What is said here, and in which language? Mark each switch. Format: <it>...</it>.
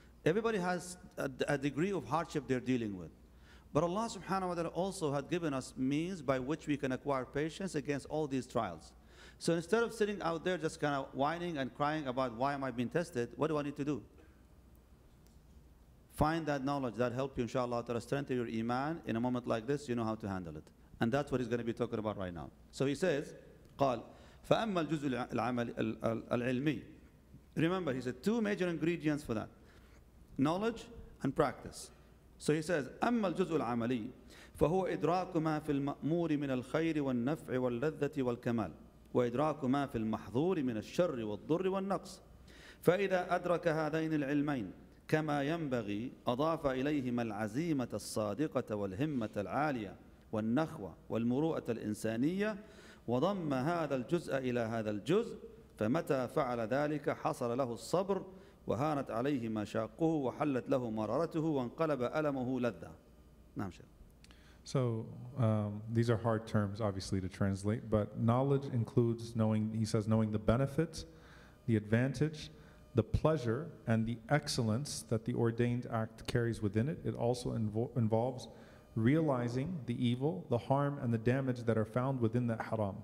<en>Everybody has a degree of hardship they're dealing with. But Allah subhanahu wa ta'ala also had given us means by which we can acquire patience against all these trials. So instead of sitting out there just kind of whining and crying about why am I being tested, what do I need to do? Find that knowledge that help you, inshallah, to strengthen your iman. In a moment like this, you know how to handle it. And that's what he's going to be talking about right now. So he says,</en> <ar>قال, فَأَمَّا الْجُزُ الْعِلْمِ.</ar> <en>Remember, he said two major ingredients for that. Knowledge and practice. So he says,</en> <ar>أَمَّا الْجُزُ الْعَمَلِي فَهُوَ إِدْرَاكُ مَا فِي الْمَأْمُورِ مِنَ الْخَيْرِ وَالنَّفْعِ وَاللَّذَّةِ وَالْكَمَالِ وَإِدْرَاكُ مَا فِي الْمَحْظُورِ مِنَ الشَّرِّ وَالضُّرِّ وَالنَّقْصِ فَإِذَا أَدْرَكَ هَذَيْنِ الْعِلْمَيْنِ كما ينبغي أضاف إليهما العزيمة الصادقة والهمة العالية والنخوة والمروءة الإنسانية وضم هذا الجزء إلى هذا الجزء فمتى فعل ذلك حصل له الصبر وهانت عليه مشاقه وحلت له مرارته وانقلب ألمه لذة. نعم شيخ.</ar> <en>So these are hard terms obviously to translate, but knowledge includes knowing, he says, knowing the benefit, the advantage, the pleasure and the excellence that the ordained act carries within it. It also involves realizing the evil, the harm and the damage that are found within that haram.</en>